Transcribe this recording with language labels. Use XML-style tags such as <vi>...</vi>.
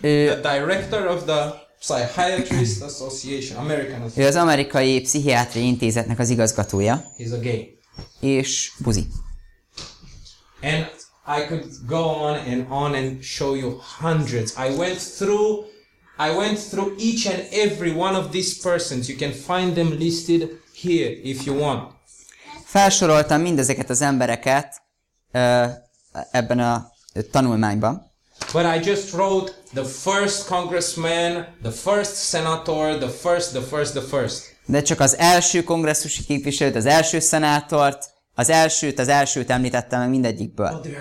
<en>The director of the Psychiatrist Association, American Association.</en> <hu>Ő az Amerikai Pszichiátriai Intézetnek az igazgatója.</hu> <en>He's a gay.</en> <hu>És buzi.</hu> <en>And I could go on and show you hundreds. I went through each and every one of these persons. You can find them listed here if you want.</en> <hu>Felsoroltam mindezeket az embereket ebben a tanulmányban.</hu> <en>But I just wrote the first congressman, the first senator, the first.</en> <hu>De csak az első kongresszusi képviselőt, az első szenátort Az elsőt említettem meg mindegyikből.</hu>